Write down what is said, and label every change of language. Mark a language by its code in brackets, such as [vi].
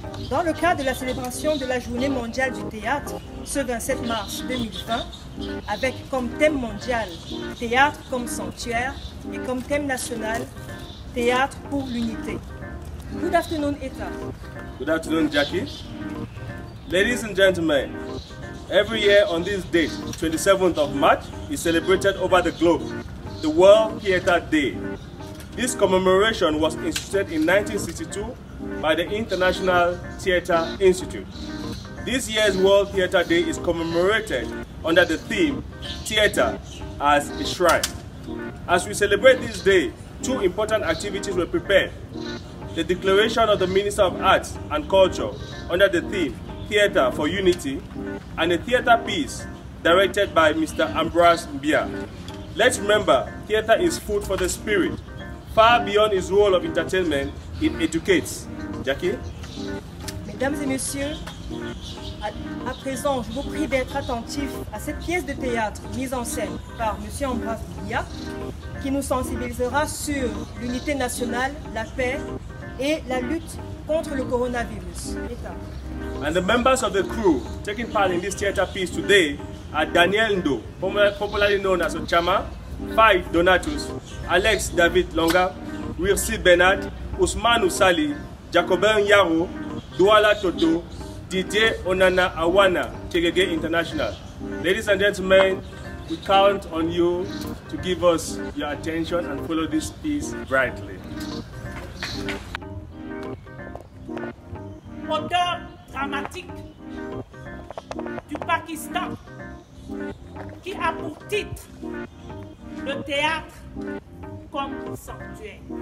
[fr] Dans le cadre de la célébration de la Journée mondiale du théâtre, ce 27 mars 2020, avec comme thème mondial « Théâtre comme sanctuaire » et comme thème national « Théâtre pour l'unité ». [en] Good afternoon, Eta. Good afternoon, Jackie. Ladies and gentlemen, every year on this day, 27th of March, is celebrated over the globe, the World Theatre Day. This commemoration was instituted in 1962 by the International Theatre Institute. This year's World Theatre Day is commemorated under the theme, Theatre as a Shrine. As we celebrate this day, two important activities were prepared. The declaration of the Minister of Arts and Culture under the theme, Theatre for Unity, and a theatre piece directed by Mr. Ambroise Mbia. Let's remember, theatre is food for the spirit. Far beyond its role of entertainment, it educates. Jackie? [fr] Mesdames et messieurs, à présent, je vous prie d'être attentif à cette pièce de théâtre mise en scène par M. Ambroise Mbia, qui nous sensibilisera sur l'unité nationale, la paix et la lutte contre le coronavirus. [en] And the members of the crew taking part in this theatre piece today are Daniel Ndo, popularly known as Ochama, Fai Donatus, Alex David Longa, Wilson Bernard, Ousmane Oussali, Jacobin Yaro, Douala Toto, Didier Onana Awana, Tegege International. Ladies and gentlemen, we count on you to give us your attention and follow this piece brightly. [fr] Auteur dramatique du Pakistan qui a pour titre le théâtre comme sanctuaire.